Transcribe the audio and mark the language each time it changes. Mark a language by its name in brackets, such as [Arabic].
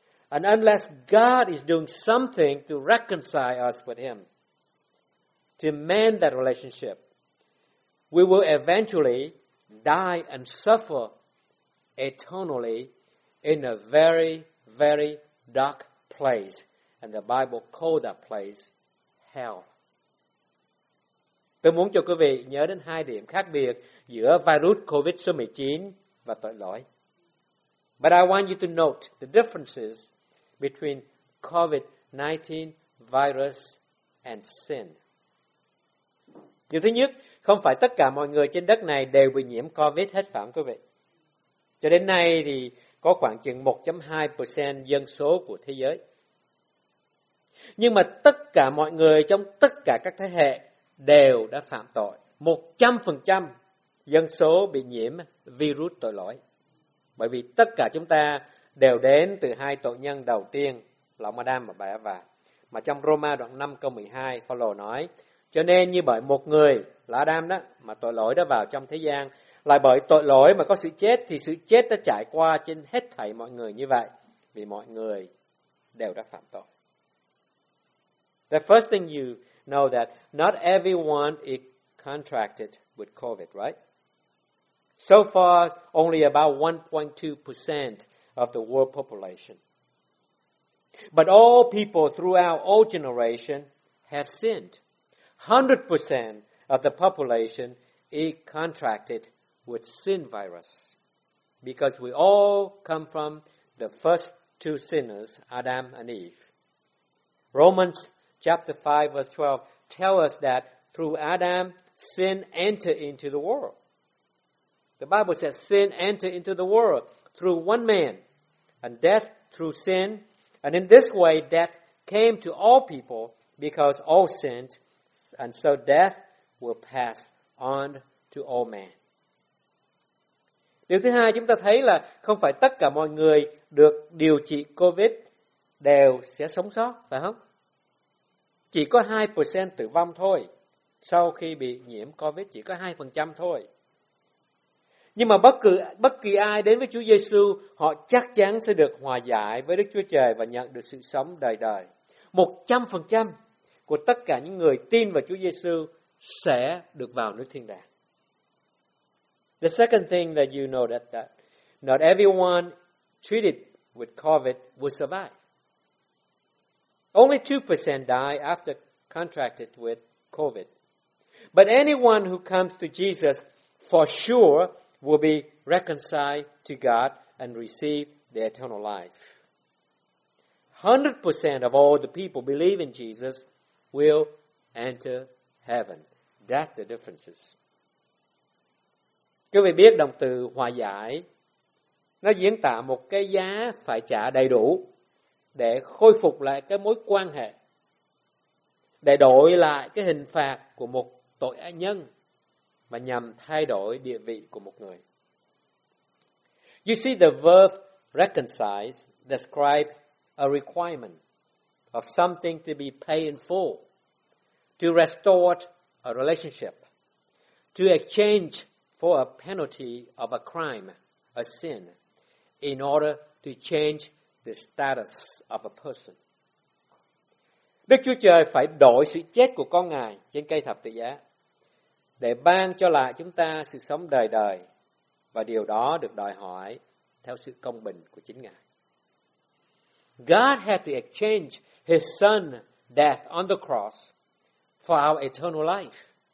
[English] And unless God is doing something to reconcile us with Him, to mend that relationship, we will eventually die and suffer eternally in a very, very dark place. And the Bible calls that place hell. [Vietnamese] Tôi muốn cho quý vị nhớ đến hai điểm khác biệt giữa virus COVID số 19 và tội lỗi. [English] But I want you to note the differences between COVID-19 virus and sin. [Vietnamese] Điều thứ nhất, không phải tất cả mọi người trên đất này đều bị nhiễm COVID hết, phải không quý vị? Cho đến nay thì có khoảng chừng 1.2% dân số của thế giới. Nhưng mà tất cả mọi người trong tất cả các thế hệ đều đã phạm tội. 100% dân số bị nhiễm virus tội lỗi. Bởi vì tất cả chúng ta đều đến từ hai tội nhân đầu tiên là ông Adam và bà Eva. Mà trong Roma đoạn 5 câu 12, Phaolô nói, cho nên như bởi một người là Adam đó, mà tội lỗi đã vào trong thế gian, lại bởi tội lỗi mà có sự chết, thì sự chết đã trải qua trên hết thảy mọi người như vậy, vì mọi người đều đã phạm tội. [English] The first thing you know that not everyone is contracted with COVID, right? So far, only about 1.2% of the world population. But all people throughout all generation have sinned. 100% of the population is contracted with sin virus. Because we all come from the first two sinners, Adam and Eve. Romans chapter 5 verse 12 tell us that through Adam, sin entered into the world. The Bible says sin entered into the world through one man, and death through sin. And in this way, death came to all people because all sinned, and so death will pass on to all men. [Vietnamese] Điều thứ hai chúng ta thấy là không phải tất cả mọi người được điều trị COVID đều sẽ sống sót, phải không? Chỉ có 2% tử vong thôi sau khi bị nhiễm COVID, chỉ có 2% thôi. Nhưng mà bất kỳ ai đến với Chúa Giê-xu, họ chắc chắn sẽ được hòa giải với Đức Chúa Trời và nhận được sự sống đời đời. 100% của tất cả những người tin vào Chúa Giê-xu sẽ được vào nước thiên đàng. [English] The second thing that you know that not everyone treated with COVID will survive. Only 2% die after contracted with COVID. But anyone who comes to Jesus for sure will be reconciled to God and receive the eternal life. 100% of all the people believe in Jesus will enter heaven. That's the differences. [Vietnamese] Quý vị biết động từ hòa giải, nó diễn tả một cái giá phải trả đầy đủ để khôi phục lại cái mối quan hệ, để đổi lại cái hình phạt của một tội nhân và nhằm thay đổi địa vị của một người. [English] You see, the verb reconcile describes a requirement of something to be paid in full, to restore a relationship, to exchange for a penalty of a crime, a sin, in order to change the status of a person. [Vietnamese] Đức Chúa Trời phải đổi sự chết của con Ngài trên cây thập tự giá để ban cho lại chúng ta sự sống đời đời, và điều đó được đòi hỏi theo sự công bình của chính Ngài. [English] God had to exchange His Son's death on the cross for our eternal life.